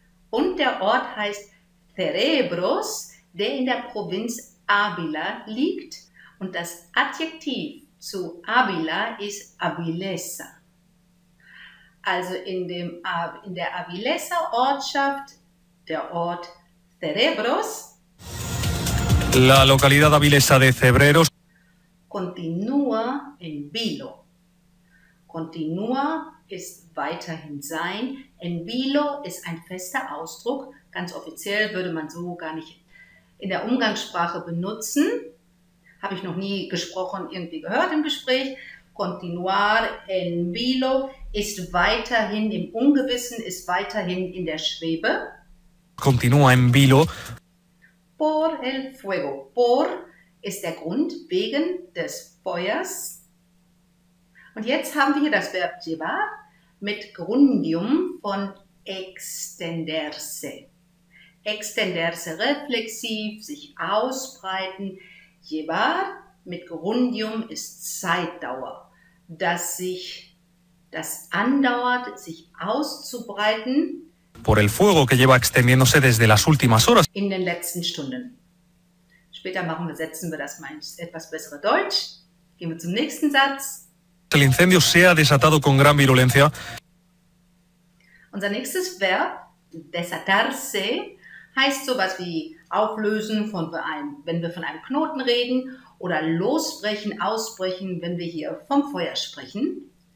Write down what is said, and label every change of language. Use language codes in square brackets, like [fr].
[de] Und der Ort heißt Cerebros, der in der Provinz Ávila liegt. Und das Adjektiv zu Ávila ist Avilesa. Also in der Avilesa-Ortschaft, der Ort Cerebros. [es] La localidad avilesa de Cerebros. Continúa en vilo. [de] Continúa ist weiterhin sein. [es] En vilo [de] ist ein fester Ausdruck. Ganz offiziell würde man so gar nicht in der Umgangssprache benutzen. Habe ich noch nie gesprochen, irgendwie gehört im Gespräch. [es] Continuar en vilo [de] ist weiterhin im Ungewissen, ist weiterhin in der Schwebe. [es] Continúa en vilo. Por el fuego. [de] Por ist der Grund, wegen des Feuers. Und jetzt haben wir hier das Verb llevar mit Grundium von extenderse. Extenderse, reflexiv, sich ausbreiten. Llevar mit Grundium ist Zeitdauer. Das andauert, sich auszubreiten. [es] Por el fuego que lleva extendiéndose desde las últimas horas. [de] In den letzten Stunden. Später setzen wir das mal in etwas bessere Deutsch. Gehen wir zum nächsten Satz. [es] El incendio se ha desatado con gran virulencia. [de] Unser nächstes Verb, desatarse, heißt sowas wie auflösen von einem, wenn wir von einem Knoten reden, oder losbrechen, ausbrechen, wenn wir hier vom Feuer sprechen.